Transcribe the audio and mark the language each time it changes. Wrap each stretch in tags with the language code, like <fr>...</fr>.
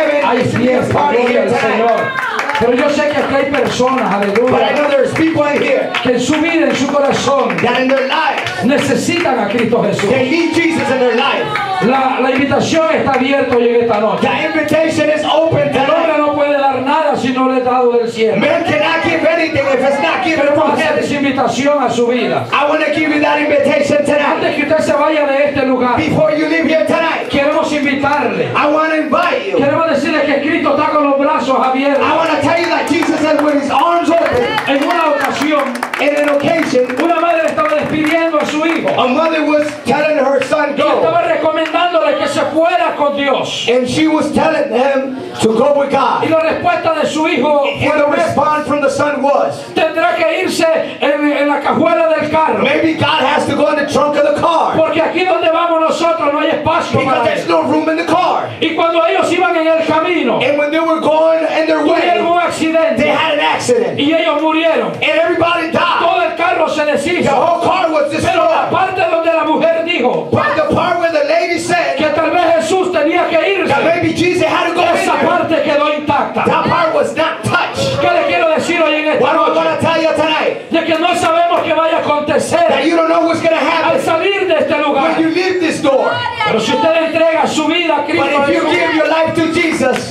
<es>Hay fiesta, gloria al Señor. Pero yo sé que aquí hay personas, aleluya, que en su vida, en su corazón, necesitan a Cristo Jesús.</es> <en>They need Jesus in their life.</en> <es>La invitación está abierta hoy en esta noche.</es> <en>The invitation is open tonight.</en> <es>El hombre no puede dar nada si no le ha dado del cielo.</es> <en>Man cannot give anything if it's not given from heaven.</en> <es>Queremos hacer esa invitación a su vida.</es> <en>I want to give you that invitation tonight.</en> <es>Antes que usted se vaya de este lugar.</es> <en>Before you leave here tonight.</en> <es>Queremos invitarle.</es> <en>I want to invite you.</en> <es>Queremos decirle que Cristo está con los brazos abiertos.</es> <en>I want to tell you that Jesus is with his arms open.</en> <es>En una ocasión,</es> <en>in an occasion,</en> <es>una madre estaba despidiendo a su hijo.</es> <en>A mother was telling her son go.</en> <es>Y estaba recomendándole que se fuera con Dios.</es> <en>And she was telling him to go with God.</en> <es>Y la respuesta de su hijo fue,</es> <en>and the response from the son was,</en> <es>tendrá que irse en la cajuela del carro.</es> <en>Maybe God has to go in the trunk of the car.</en> <es>Porque aquí donde vamos nosotros no hay espacio.</es> <en>Because</en> <es>para</es> <en>there's no room in the car.</en> <es>Y cuando ellos iban en el camino,</es> <en>and when they were going in their way,</en> <es>tuvieron un accidente.</es> <en>They had an accident.</en> <es>Y ellos murieron.</es> <en>And everybody died.</en> <es>Todo el carro se deshizo.</es> <en>The whole car was destroyed.</en> <es>Pero la parte donde la mujer dijo,</es> <en>but the part where the lady said,</en> <es>que tal vez Jesús tenía que irse,</es> <en>that maybe Jesus had to go,</en> <es>esa parte quedó intacta.</es> <en>That part was not touched.</en> <es>¿Qué le quiero decir hoy en esta noche?</es> <en>What I want to tell you tonight,</en> <es>de que no sabemos qué vaya a acontecer,</es> <en>that you don't know what's going to happen,</en> <es>al salir de este lugar,</es> <en>when you leave this door.</en> <es>Pero si usted le entrega su vida a Cristo,</es> <en>but if you give your life to Jesus,</en>